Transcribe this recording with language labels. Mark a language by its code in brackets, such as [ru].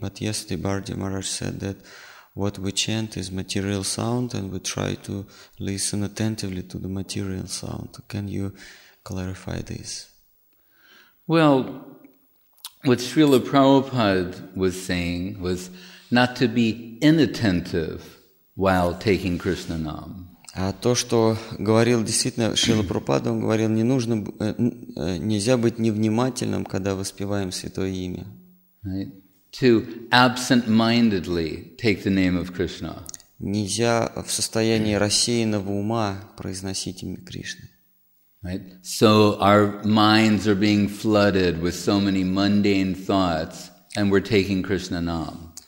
[en] But yesterday Bharati Maharaj said that what we chant is material sound and we try to listen attentively to the material sound. Can you clarify this? Well, what Srila Prabhupada was saying was not to be inattentive while taking Krishna Nam. [ru] А то, что говорил действительно Шрила Прабхупада, он говорил, не нужно, нельзя быть невнимательным, когда воспеваем святое имя. [en] Right? To absent-mindedly take the name of Krishna. [ru] Нельзя в состоянии рассеянного ума произносить имя Кришны. [en] Right? So our minds are being flooded with so many mundane thoughts, and we're taking Krishna Nam.